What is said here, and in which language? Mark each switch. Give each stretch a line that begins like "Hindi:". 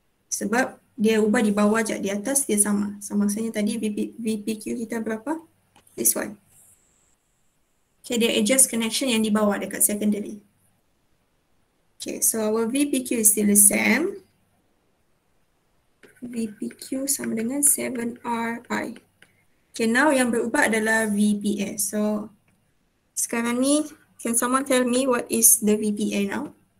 Malay: Sebab dia ubah di bawah je, di atas dia sama. So, maksudnya tadi VPQ kita berapa?
English: This one.
Malay: Okay, dia adjust connection yang di bawah dekat secondary.
English: Okay, so our VPQ is still the same.
Malay: VPQ sama dengan 7RI. Okay, now yang berubah adalah VPA.
English: So,
Malay: sekarang ni,
English: can someone tell me what is the VPA now?